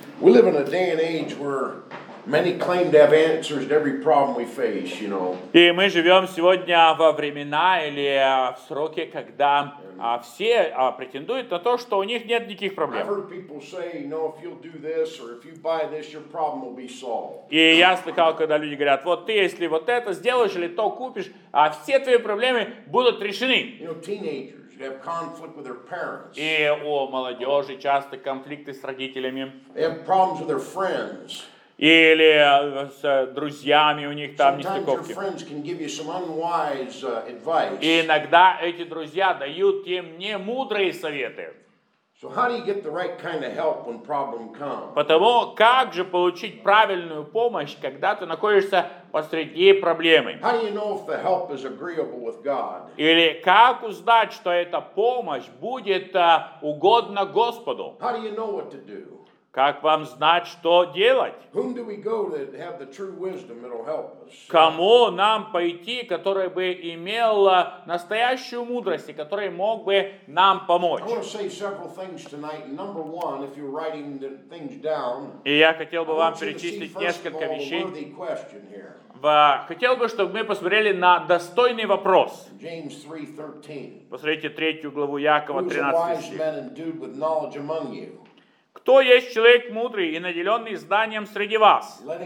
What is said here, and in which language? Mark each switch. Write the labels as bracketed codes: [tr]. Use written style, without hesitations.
[en] We live in a day and age where many claim to have answers to every problem we face, you know. [ru] И мы живем сегодня во времена или в сроке, когда все претендуют на то, что у них нет никаких проблем. [en] I've heard people say, you know, if you'll do this or if you buy this, your problem will be solved. [ru] И я слыхал, когда люди говорят, вот ты если вот это сделаешь или то купишь, все твои проблемы будут решены. [en] You know, teenagers have conflict with their parents. [ru] И у молодежи часто конфликты с родителями. [en] They have problems with their friends. [ru] Или с друзьями у них там нестыковки. [en] Sometimes your friends can give you some unwise advice. [ru] Иногда эти друзья дают им не мудрые советы. [en] So how do you get the right kind of help when problem comes? [ru] Потому как же получить правильную помощь, когда ты находишься посреди проблемы? [en] How do you know if the help is agreeable with God? [ru] Или как узнать, что эта помощь будет угодна Господу? [en] How do you know what to do? [ru] Как вам знать, что делать? [en] Whom do we go that have the true wisdom that'll help us? [ru] Кому нам пойти, который бы имел настоящую мудрость и который мог бы нам помочь? [en] I want to say several things tonight. Number one, if you're writing the things down, [ru] и я хотел бы вам перечислить несколько вещей. [en] Worthy question here. [ru] Хотел бы, чтобы мы посмотрели на достойный вопрос. [en] James 3:13. [ru] Посмотрите третью главу Якова 13. Кто есть человек мудрый и наделенный знанием среди вас?